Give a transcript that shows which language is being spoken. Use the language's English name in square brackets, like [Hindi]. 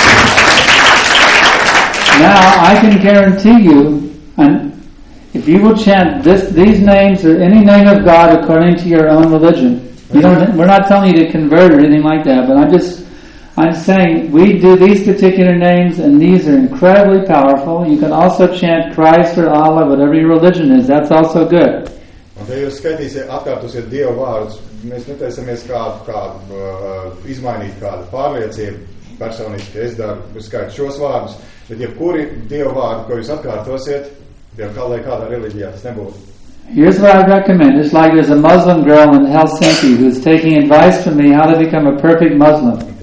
[English] Now, I can guarantee you, and if you will chant these names or any name of God according to your own religion, we're not telling you to convert or anything like that, but I'm saying we do these particular names, and these are incredibly powerful. You can also chant Christ or Allah, whatever your religion is. That's also good. [Latvian] Ja jūs skaitīsiet, atkārtosiet Dieva vārdus, mēs netaisamies kādu izmainīt kādu pārliecību personiski. Es daru, es skaitu šos vārdus, bet jebkuri Dieva vārdu, ko jūs atkārtosiet, [English] here's what I recommend. It's like there's a Muslim girl in Helsinki who's taking advice from me how to become a perfect Muslim.